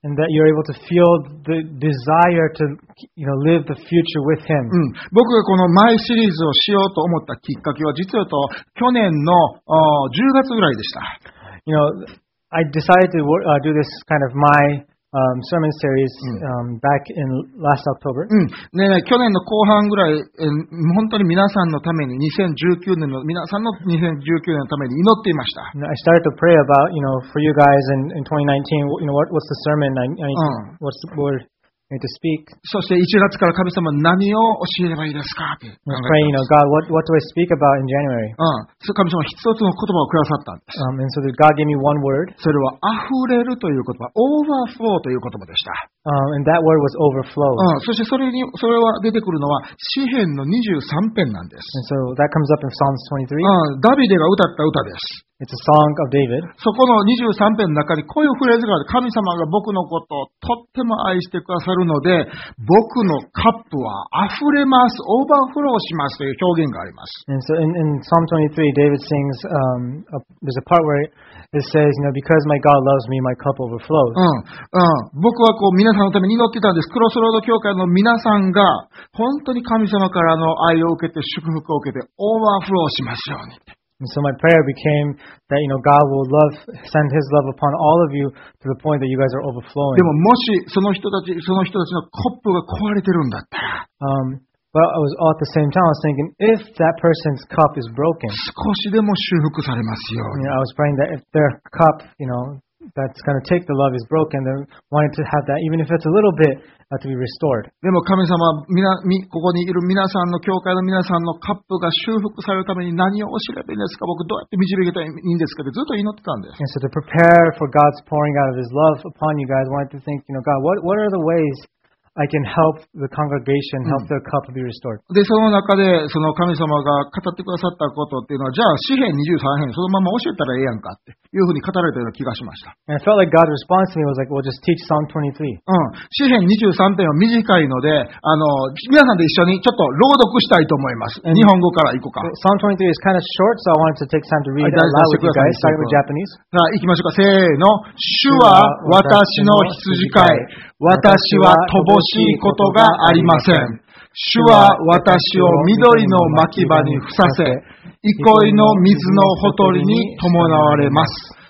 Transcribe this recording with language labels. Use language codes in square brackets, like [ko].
[en] And that you're able to feel the desire to, you know, live the future with him. [ja] 僕がこのマイシリーズをしようと思ったきっかけは実は言うと去年の10月ぐらいでした。 [en] You know, I decided to do this kind of my sermon series back in last October. [ja] ね、去年の後半ぐらい、本当に皆さんのために2019年のために祈っていました。 [en] I started to pray about, you know, for you guys in 2019, you know, what's the sermon I need, what's the word? and to speak. [ja] そして1月から神様何を教えればいいですかって考えています。 [en] Praying, you know, God, what do I speak about in January? [ja] うん。神様一つの言葉をくださったんです。 [en] And so God gave me one word. [ja] それは溢れるという言葉、overflow という言葉でした。 [en] And that word was overflow. [ja] うん。そしてそれは出てくるのは詩篇の23篇なんです。 [en] And so that comes up in Psalms 23. [ja] ダビデが歌った歌です。 [en] It's a song of David. [ja] そこの23編の中にこういうフレーズがある。神様が僕のことをとっても愛してくださるので、僕のカップは溢れます、オーバーフローしますという表現があります。 [en] And so in Psalm 23, David sings, there's a part where it says, you know, because my God loves me, my cup overflows. [ja] うん。うん。僕はこう皆さんのために祈ってたんです。クロスロード教会の皆さんが本当に神様からの愛を受けて、祝福を受けて、オーバーフローしますように。 [en] And so my prayer became that, you know, God will love, send His love upon all of you to the point that you guys are overflowing. [ja] でももしその人たちのコップが壊れてるんだったら、 [en] but I was all at the same time, I was thinking, if that person's cup is broken, [ja] 少しでも修復されますように。 [en] I was praying that if their cup, you know, that's going to take the love is broken, then wanted to have that, even if it's a little bit,to be restored. [ja] でも神様は ここにいる皆さんの教会の皆さんのカップが修復されるために何を教えばいいんですか僕どうやって導けたらいいんですかってずっと祈ってたんです。 [en] And so to prepare for God's pouring out of His love upon you guys, I wanted to think, you know, God, what are the ways I can help the congregation, help their cup be restored? [ja] で、その中でその神様が語ってくださったことっていうのは、じゃあ詩篇23編そのまま教えたらええやんかっていうふうに語られたような気がしました。 [en] And I felt like God's response to me was like, well, just teach Psalm 23. [ja] うん。詩篇23編は短いので、皆さんで一緒にちょっと朗読したいと思います。日本語から行こうか。 [en] Psalm 23 is kind of short, so I wanted to take time to read it aloud with you guys, start with Japanese. [ja] じゃあ行きましょうか。せーの。主は私の羊飼い。私は乏しいことがありません。主は私を緑の牧場に伏させ、憩いの水のほとりに伴われます。